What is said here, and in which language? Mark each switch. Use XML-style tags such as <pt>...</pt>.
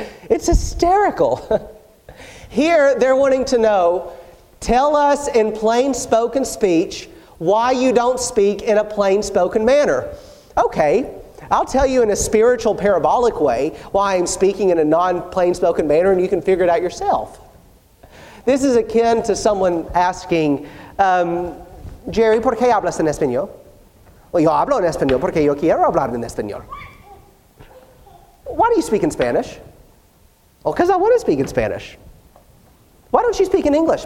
<en>It's hysterical. Here, they're wanting to know, tell us in plain spoken speech why you don't speak in a plain spoken manner. Okay, I'll tell you in a spiritual parabolic way why I'm speaking in a non-plain spoken manner and you can figure it out yourself. This is akin to someone asking, Jerry,</en> <es>¿por qué hablas en español? Well, yo hablo en español porque yo quiero hablar en español.</es> <en>Why do you speak in Spanish? Oh, because I want to speak in Spanish. Why don't you speak in English?</en>